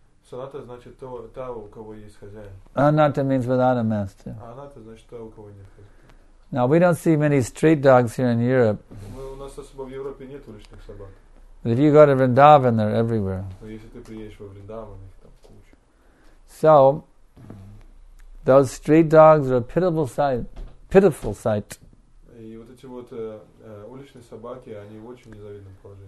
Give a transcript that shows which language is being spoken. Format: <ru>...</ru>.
<ru>Sanata значит то, та, у кого есть хозяин.</ru> <en>Anata means without a master.</en> <ru>Anata значит то, у кого нет хозяина.</ru> <en>Now we don't see many street dogs here in Europe.</en> <ru>У нас особо в Европе нет уличных собак.</ru> <en>But if you go to Vrindavan, they're everywhere.</en> <ru>Но если ты приедешь во Вриндаван, их там куча.</ru> <en>So those street dogs are a pitiful sight.</en> <ru>И вот эти вот уличные собаки, они в очень незавидном положении.</ru>